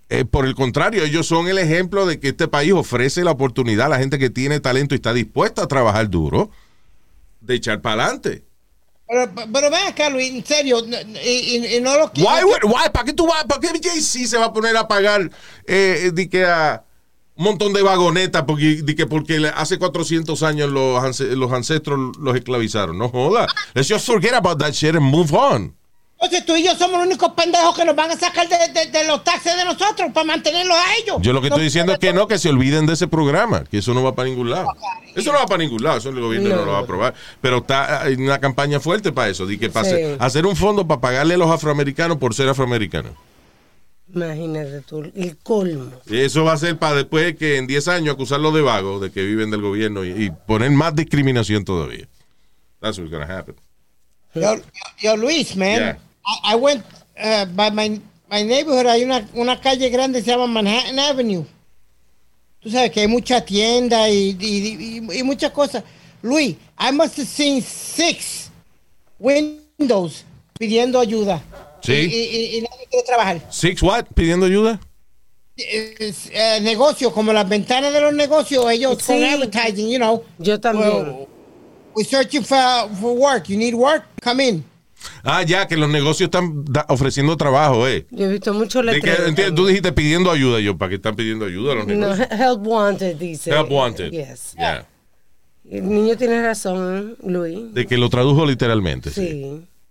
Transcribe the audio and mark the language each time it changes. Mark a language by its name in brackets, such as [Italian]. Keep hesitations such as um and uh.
[Spanish] Eh, por el contrario, ellos son el ejemplo de que este país ofrece la oportunidad a la gente que tiene talento y está dispuesta a trabajar duro de echar para adelante. Pero, pero ven acá, Luis, en serio, no- no- y, y- y no los [English] Why would- why? [Spanish] ¿Para qué tú vas? ¿Para qué Jay-Z se va a poner a pagar eh, eh, di que a un montón de vagonetas porque, di que porque le- hace 400 años los, ance- los ancestros los esclavizaron? No joda. [English] Let's just forget about that shit and move on. [Spanish] Entonces tú y yo somos los únicos pendejos que nos van a sacar de, de- de los taxes de nosotros para mantenerlos a ellos. Yo lo que estoy diciendo es que no, que se olviden de ese programa, que eso no va para ningún lado. Eso no va para ningún lado, eso el gobierno no, No. lo va a aprobar. Pero está hay una campaña fuerte para eso, de que para Sí. hacer, hacer un fondo para pagarle a los afroamericanos por ser afroamericanos. Imagínate tú, el colmo. Eso va a ser para después que en 10 años acusarlos de vagos, de que viven del gobierno y, y poner más discriminación todavía. [English] That's what's gonna happen. [Spanish] Yo, yo- yo, Luis, man, [English] Yeah. I, I went uh, by my, my neighborhood, [Spanish] hay una, una calle grande que se llama [English] Manhattan Avenue. [Spanish] Tú sabes que hay mucha tienda y, y, y- y muchas cosas. [English] Luis, I must have seen six windows [Spanish] pidiendo ayuda. Sí. Y, y- y nadie quiere trabajar. [English] Six what? [Spanish] Pidiendo ayuda. Es, eh, negocios, como las ventanas de los negocios, ellos son Sí. [English] advertising, you know. [Spanish] Yo también. [English] Well, we're searching for, for work. You need work? Come in. [Spanish] Ah, ya, que los negocios están da- ofreciendo trabajo, eh. Yo he visto mucho De que, letreros. entiendo, tú dijiste pidiendo ayuda, yo, ¿para qué están pidiendo ayuda a los No, negocios? [English] help wanted, [Spanish] dice. [English] Help wanted. Yes. Yeah. [Spanish] El niño tiene razón, Luis. De que lo tradujo literalmente. Sí.